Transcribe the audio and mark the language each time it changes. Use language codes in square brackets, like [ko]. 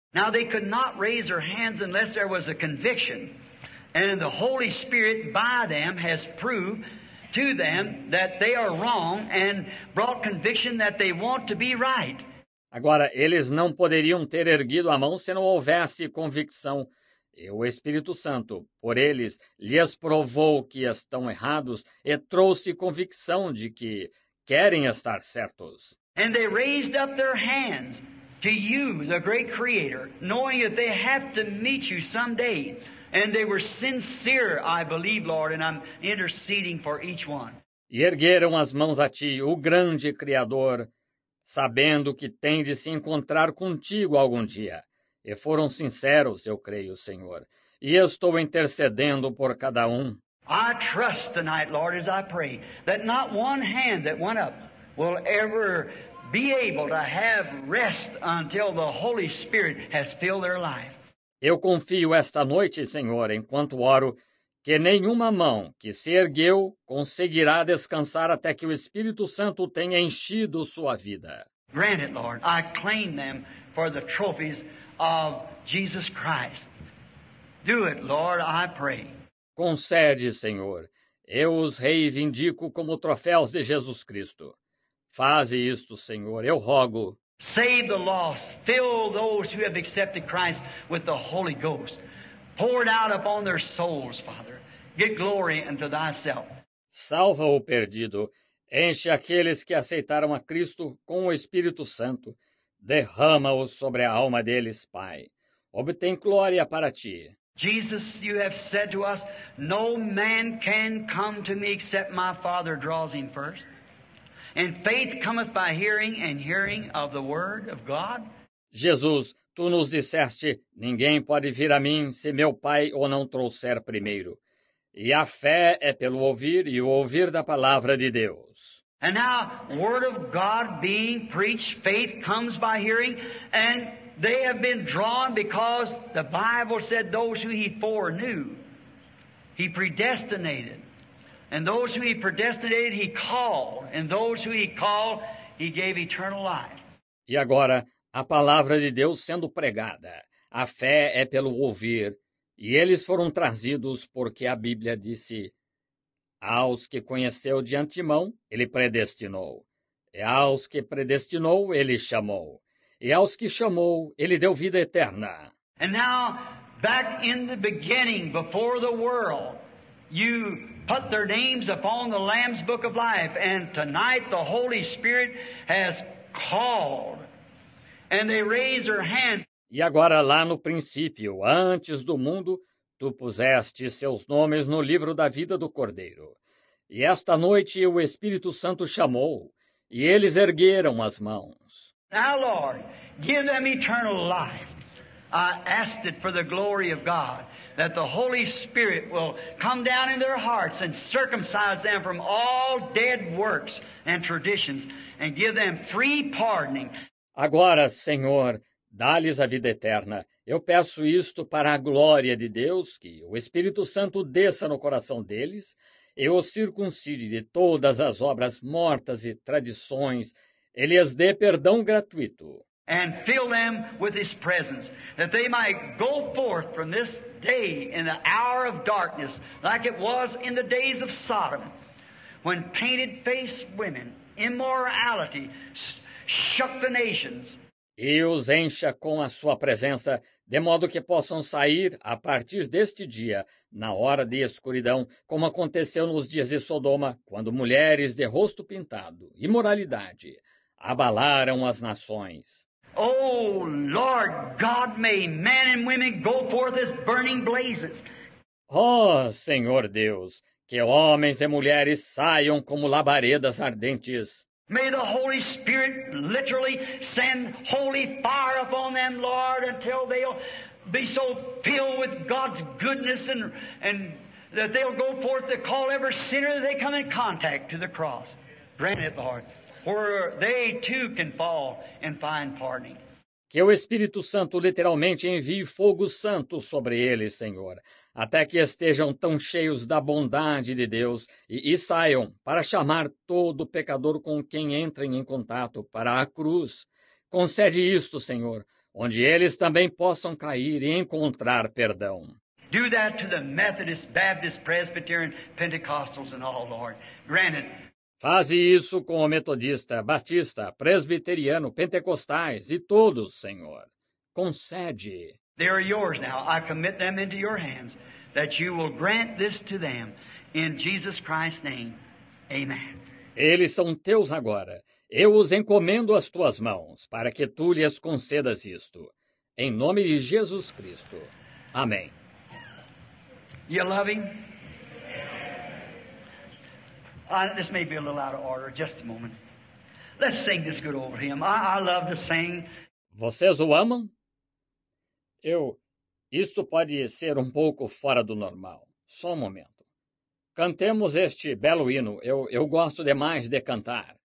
[en] Now they could not raise their hands unless there was a conviction, and the Holy Spirit by them has proved to them that they are wrong and brought conviction that they want to be right. [pt] Agora, eles não poderiam ter erguido a mão se não houvesse convicção. E o Espírito Santo, por eles, lhes provou que estão errados e trouxe convicção de que querem estar certos. [en] And they raised up their hands to you, the great Creator, knowing that they have to meet you someday. And they were sincere, I believe, Lord, and I'm interceding for each one. [pt] E ergueram as mãos a ti, o grande Criador, sabendo que tem de se encontrar contigo algum dia. E foram sinceros, eu creio, Senhor. E estou intercedendo por cada um. [en] I trust tonight, Lord, as I pray, that not one hand that went up will ever be able to have rest until the Holy Spirit has filled their life. [pt] Eu confio esta noite, Senhor, enquanto oro, que nenhuma mão que se ergueu conseguirá descansar até que o Espírito Santo tenha enchido sua vida. [en] Grant it, Lord. I claim them for the trophies of Jesus Christ. Do it, Lord, I pray. [pt] Concede, Senhor. Eu os reivindico como troféus de Jesus Cristo. Faze isto, Senhor. Eu rogo. [en] Save the lost. Fill those who have accepted Christ with the Holy Ghost. Pour it out upon their souls, Father. Get glory unto thyself. [pt] Salva o perdido. Enche aqueles que aceitaram a Cristo com o Espírito Santo. Derrama-os sobre a alma deles, Pai. Obtém glória para ti. [en] Jesus, you have said to us, no man can come to me except my Father draws him first. And faith cometh by hearing, and hearing of the word of God. [pt] Jesus, tu nos disseste, ninguém pode vir a mim se meu Pai o não trouxer primeiro. E a fé é pelo ouvir, e o ouvir da palavra de Deus. [en] And now, word of God being preached, faith comes by hearing, and they have been drawn because the Bible said those who he foreknew, he predestinated. And those who he predestinated, he called. And those who he called, he gave eternal life. [pt] E agora, a palavra de Deus sendo pregada. A fé é pelo ouvir. E eles foram trazidos porque a Bíblia disse, aos que conheceu de antemão, ele predestinou. E aos que predestinou, ele chamou. E aos que chamou, ele deu vida eterna. [en] And now, back in the beginning, before the world, you put their names upon the Lamb's Book of Life, and tonight the Holy Spirit has called, and they raise their hands. [pt] E agora, lá no princípio, antes do mundo, tu puseste seus nomes no livro da vida do Cordeiro. E esta noite o Espírito Santo chamou, e eles ergueram as mãos. [en] Now, Lord, give them eternal life. I ask it for the glory of God, that the Holy Spirit will come down in their hearts and circumcise them from all dead works and traditions and give them free pardoning. [pt] Agora, Senhor, dá-lhes a vida eterna. Eu peço isto para a glória de Deus, que o Espírito Santo desça no coração deles e os circuncide de todas as obras mortas e tradições. Ele lhes dê perdão gratuito. [en] And fill them with His presence, that they might go forth from this day in the hour of darkness, like it was in the days of Sodom, when painted-faced women, immorality, shook the nations. [pt] E os encha com a sua presença, de modo que possam sair, a partir deste dia, na hora de escuridão, como aconteceu nos dias de Sodoma, quando mulheres de rosto pintado, imoralidade, abalaram as nações. [en] Oh, Lord God, may men and women go forth as burning blazes. [pt] Oh, Senhor Deus, que homens e mulheres saiam como labaredas ardentes. [en] May the Holy Spirit literally send holy fire upon them, Lord, until they'll be so filled with God's goodness and that they'll go forth to call every sinner that they come in contact to the cross. Grant it, Lord, where they too can fall and find pardoning. [pt] Que o Espírito Santo literalmente envie fogo santo sobre eles, Senhor, até que estejam tão cheios da bondade de Deus e saiam para chamar todo pecador com quem entrem em contato para a cruz. Concede isto, Senhor, onde eles também possam cair e encontrar perdão. [en] Do that to the Methodist, Baptist, Presbyterian, Pentecostals and all, Lord. Grant it. [pt] Faze isso com o metodista, batista, presbiteriano, pentecostais e todos, Senhor. Concede. [en] They are yours now. I commit them into your hands, that you will grant this to them in Jesus Christ's name. Amen. [pt] Eles são teus agora. Eu os encomendo às tuas mãos, para que tu lhes concedas isto. Em nome de Jesus Cristo. Amém. [en] You love him? This may be a little out of order, just a moment. Let's sing this good old hymn. I love to sing. [pt] Vocês o amam? Isto pode ser um pouco fora do normal. Só um momento. Cantemos este belo hino. Eu gosto demais de cantar.